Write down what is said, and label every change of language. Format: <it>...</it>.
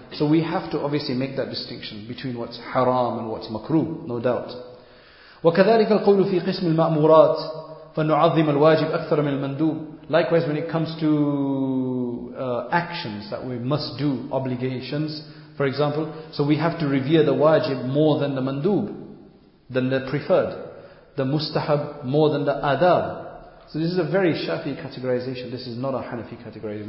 <en>So we have to obviously make that distinction between what's haram and what's makruh, no doubt.</en> <ar>وكذلك القول في قسم المأمورات فنعظم الواجب أكثر من المندوب.</ar> <en>Likewise, when it comes to actions that we must do, obligations, for example, so we have to revere the wajib more than the mandub, than the preferred, the mustahab more than the adab. So this is a very Shafi categorization. This is not a Hanafi categorization.</en>